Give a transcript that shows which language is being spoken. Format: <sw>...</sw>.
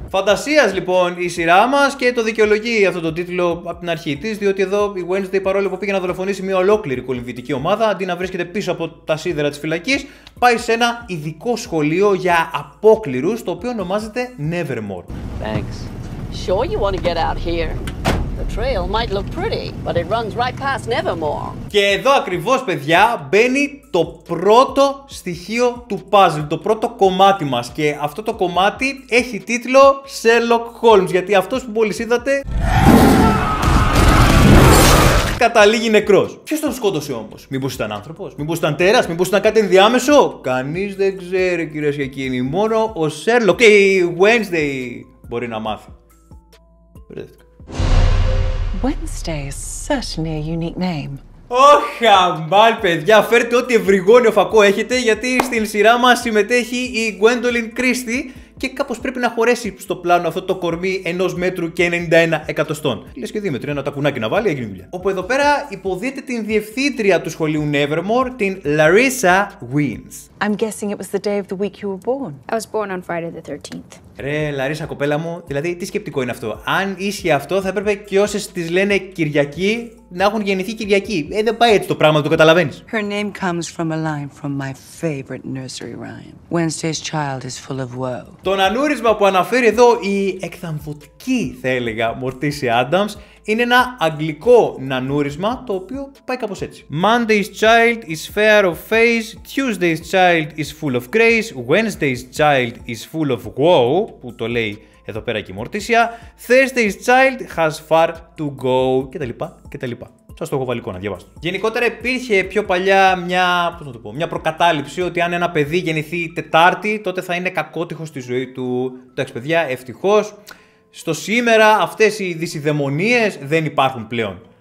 <el>Φαντασίας λοιπόν η σειρά μας και το δικαιολογεί αυτό το τίτλο από την αρχή της, διότι εδώ η Wednesday, παρόλο που πήγε να δολοφονήσει μια ολόκληρη κολυμβητική ομάδα, αντί να βρίσκεται πίσω από τα σίδερα της φυλακής, πάει σε ένα ειδικό σχολείο για απόκληρους, το οποίο ονομάζεται Nevermore.</el> <en>Thanks. Sure you want to get out here? The trail might look pretty, but it runs right past Nevermore.</en> <el>Και εδώ ακριβώς, παιδιά, μπαίνει το πρώτο στοιχείο του puzzle, το πρώτο κομμάτι μας. Και αυτό το κομμάτι έχει τίτλο Sherlock Holmes, γιατί αυτός που μόλις είδατε καταλήγει νεκρός. Ποιος τον σκότωσε όμως? Μήπως ήταν άνθρωπος? Μήπως ήταν τέρας? Μήπως ήταν κάτι ενδιάμεσο? Κανείς δεν ξέρει, κυρίες και κύριοι. Μόνο ο Sherlock και η Wednesday μπορεί να μάθει.</el> <en>Wednesday is certainly a unique name.</en> <el>Ωχ, χαμπάλ, παιδιά, φέρτε ό,τι ευρυγόνιο φακό έχετε, γιατί στην σειρά μας συμμετέχει η Gwendolyn Christie και κάπως πρέπει να χωρέσει στο πλάνο αυτό το κορμί ενός μέτρου και 91 εκατοστών. Λες και δίμετρο, ένα τακουνάκι να βάλει, έγινε δουλειά. Όπου εδώ πέρα υποδίεται την διευθύντρια του σχολείου Nevermore, την Larissa Wins.</el> <en>I'm guessing it was the day of the week you were born. I was born on Friday the 13th.</en> <el>Ρε, Λαρίσα, κοπέλα μου, δηλαδή τι σκεπτικό είναι αυτό. Αν ίσχυε αυτό, θα έπρεπε και όσες τις λένε Κυριακή να έχουν γεννηθεί Κυριακή. Δεν πάει έτσι το πράγμα, το καταλαβαίνεις.</el> <en>Her name comes from a line from my favorite nursery rhyme. Wednesday's child is full of woe.</en> <el>Το νανούρισμα που αναφέρει εδώ η εκθαμβωτική, θα έλεγα, Morticia Adams, είναι ένα αγγλικό νανούρισμα το οποίο πάει κάπως έτσι.</el> <en>Monday's child is fair of face, Tuesday's child is full of grace, Wednesday's child is full of woe,</en> <el>που το λέει εδώ πέρα και η Morticia,</el> <en>Thursday's child has far to go, κτλ.</en> <el>Κτλ. Σας το έχω βάλει εικόνα, διαβάστε. Γενικότερα υπήρχε πιο παλιά μια προκατάληψη ότι αν ένα παιδί γεννηθεί Τετάρτη, τότε θα είναι κακότυχος στη ζωή του. Εντάξει, παιδιά, ευτυχώς. Στο σήμερα αυτές οι δυσιδαιμονίες δεν υπάρχουν πλέον.</el>